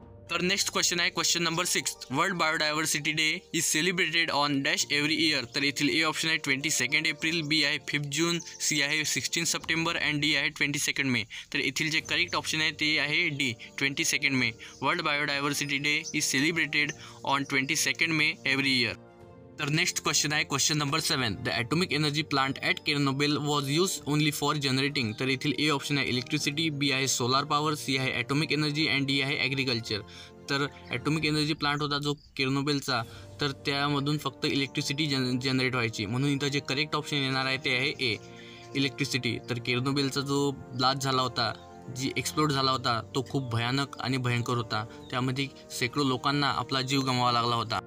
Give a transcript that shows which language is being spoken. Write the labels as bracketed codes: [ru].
[mr] तर next question आहे question number 6th, [en] World biodiversity day is celebrated on dash every year. [mr] तर येथील A option आहे 22nd April, बी आहे 5th जून, C आहे 16th सप्टेंबर अँड डी आहे 22nd मे। तर येथील जे करेक्ट ऑप्शन आहे ते आहे D 22nd may. [en] World biodiversity day is celebrated on 22nd May every year. [mr] तर नेक्स्ट क्वेश्चन आहे question number 7th, [en] The atomic energy plant at Chernobyl was use only for generating. [mr] तर येथील ए ऑप्शन आहे electricity, बी आहे solar power, C आहे atomic energy and D आहे agriculture. तर atomic energy plant होता जो केरनोबेलचा, तर त्यामधून फक्त इलेक्ट्रिसिटी जनरेट व्हायची, म्हणून इथं जे करेक्ट ऑप्शन येणार आहे ते आहे ए इलेक्ट्रिसिटी। तर केरनोबेलचा जो ब्लास्ट झाला होता, जी एक्सप्लोड झाला होता, तो खूप भयानक आणि भयंकर होता, त्यामध्ये शेकडो लोकांना आपला जीव गमवावा लागला होता।